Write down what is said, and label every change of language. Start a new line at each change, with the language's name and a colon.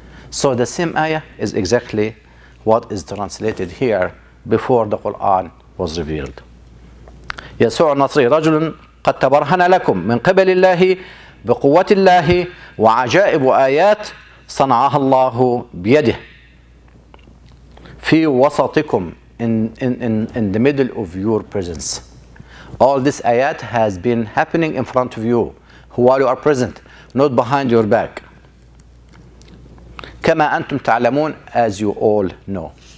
English: So the same ayah is exactly what is translated here before the Quran was revealed.
Arabic: يسوع النصري رجل قد تبرهن لكم من قبل الله بقوة الله وعجائب وآيات صنعها الله بيده في وسطكم
English: in the middle of your presence. All this ayat has been happening in front of you while you are present, not behind your back.
Arabic: كما أنتم تعلمون
English: as you all know.